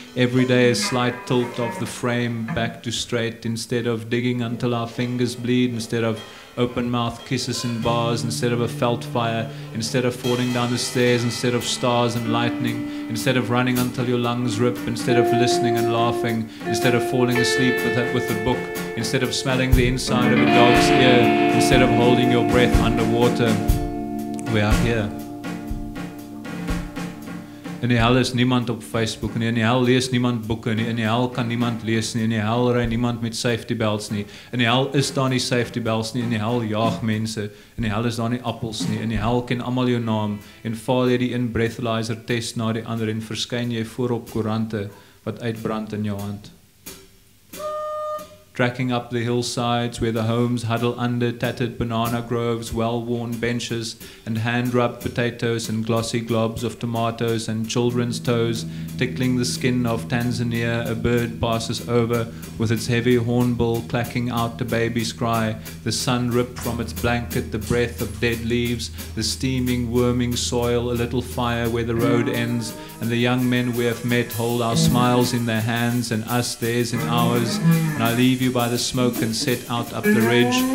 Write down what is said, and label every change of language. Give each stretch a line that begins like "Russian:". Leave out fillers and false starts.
English: Every day a slight tilt of the frame back to straight instead of digging until our fingers bleed, instead of open mouth kisses in bars, instead of a felt fire, instead of falling down the stairs, instead of stars and lightning, instead of running until your lungs rip, instead of listening and laughing, instead of falling asleep with a book, instead of smelling the inside of a dog's ear, instead of holding your breath underwater, we are here.
Afrikaans: In die hel is niemand op Facebook nie, in die hel lees niemand boeke nie, in die hel kan niemand lees nie, in die hel ry niemand met safety belts nie, in die hel is daar nie safety belts nie, in die hel jaag mense, in die hel is daar nie appels nie, in die hel ken allemaal jou naam, en faal jy die in breathalyzer test na die ander en verskyn jy voorop koerante wat uitbrand in jou hand.
English: Tracking up the hillsides where the homes huddle under tattered banana groves, well-worn benches and hand-rubbed potatoes and glossy globs of tomatoes and children's toes tickling the skin of Tanzania, a bird passes over with its heavy hornbill clacking out a baby's cry, the sun ripped from its blanket, the breath of dead leaves, the steaming, worming soil, a little fire where the road ends and the young men we have met hold our smiles in their hands and us theirs in ours, and I leave you by the smoke and set out up the ridge,